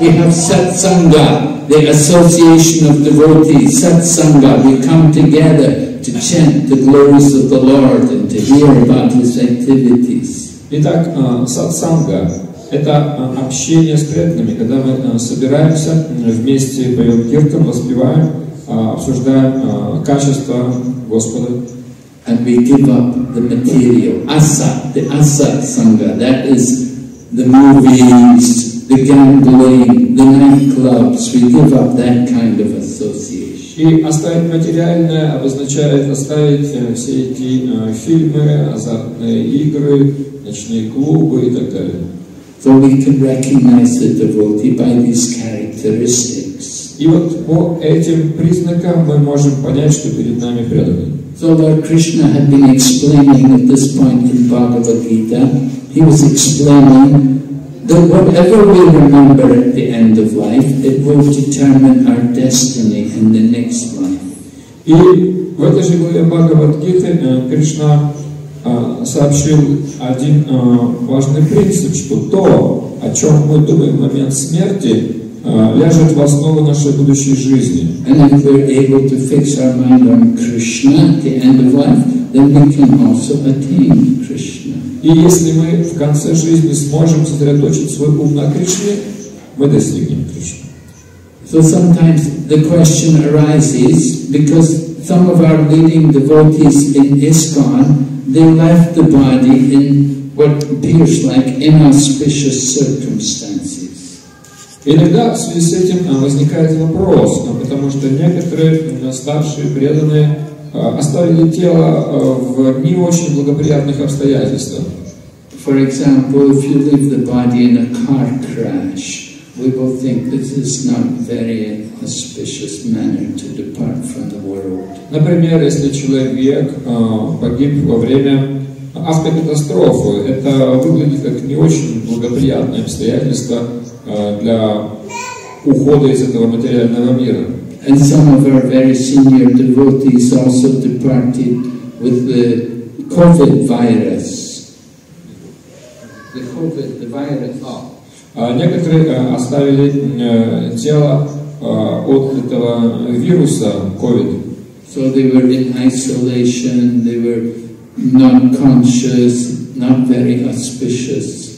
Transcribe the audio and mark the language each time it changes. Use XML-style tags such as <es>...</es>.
<en>We have Sat Sangha, the association of devotees. Sat Sangha, we come together to chant the glories of the Lord and to hear about His activities.</en> <ru>Итак, сатсанга — это общение с преданными, когда мы собираемся, вместе поем киртан, воспеваем, обсуждаем качества Господа.</ru> <en>And we give up the material. Asa, the asa sangha, that is the movies, the gambling, the nightclubs. We give up that kind of association.</en> <ru>И оставить материальное обозначает оставить все эти фильмы, азартные игры, ночные клубы и так далее.</ru> <en>So we can recognize the devotee by these characteristics.</en> <ru>И вот по этим признакам мы можем понять, что перед нами преданный.</ru> <en>So Lord Krishna had been explaining at this point in Bhagavad Gita, he was explaining that whatever we remember at the end of life, it will determine our destiny in the next life.</en> <ru>И в этой же главе Бхагавад-гиты Кришна сообщил один важный принцип, что то, о чем мы думаем в момент смерти, ляжет в основу нашей будущей жизни.</ru> <en>And if we're able to fix our mind on Krishna at the end of life, then we can also attain Krishna.</en> <ru>И если мы в конце жизни сможем сосредоточить свой ум на Кришне, мы достигнем Кришны.</ru> <en>So sometimes the question arises, because some of our leading devotees in ISKCON, they left the body in what appears like inauspicious circumstances.</en> <ru>Иногда в связи с этим возникает вопрос, потому что некоторые старшие преданные оставили тело в не очень благоприятных обстоятельствах.</ru> <en>For example, if you leave the body in a car crash, we will think this is not very auspicious manner to depart from the world.</en> <ru>Например, если человек погиб во время автокатастрофы, это выглядит как не очень благоприятное обстоятельство для ухода из этого материального мира.</ru> <en>And some of our very senior devotees also departed with the COVID virus. The COVID, the virus.</en> <ru>Некоторые оставили тело от этого вируса COVID.</ru> <en>So they were in isolation. They were not conscious, not very auspicious.</en>